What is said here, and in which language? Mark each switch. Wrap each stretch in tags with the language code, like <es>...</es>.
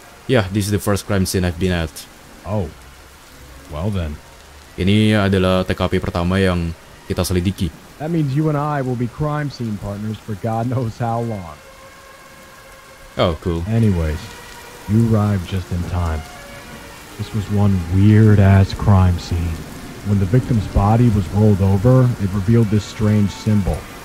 <en>Yeah, this is the first crime scene I've been at. Oh, well then.</en> <id>Ini adalah TKP pertama yang kita selidiki.</id> <en>That means you and I will be crime scene partners for God knows how long. Oh, cool. Anyways, you arrived just in time. This was one weird ass crime scene. When the victim's body was rolled over, it revealed this strange symbol.</en>